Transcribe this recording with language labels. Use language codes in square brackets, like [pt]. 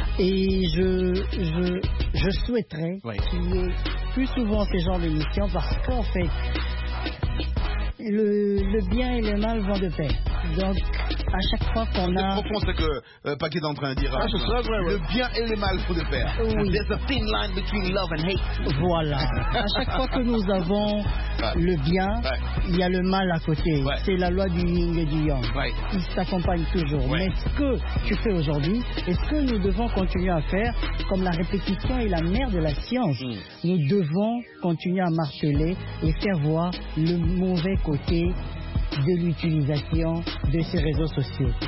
[fr] Et je souhaiterais qu'il y ait plus souvent ces genres d'émissions, parce qu'en fait, le bien et le mal vont de pair. Donc, à chaque fois qu'on c'est a... C'est profond ce que Paquet est en train de dire. Ah, c'est ça, ouais. Le bien et le mal font de pair. Oui. [en] There's a thin line between love and hate. [fr] Voilà. À chaque fois que nous avons le bien, il y a le mal à côté. C'est la loi du yin et du yang. Ils s'accompagnent toujours. Mais ce que tu fais aujourd'hui, est-ce que nous devons continuer à faire, comme la répétition est la mère de la science, nous devons continuer à marteler et faire voir le mauvais côté de l'utilisation de ces réseaux sociaux.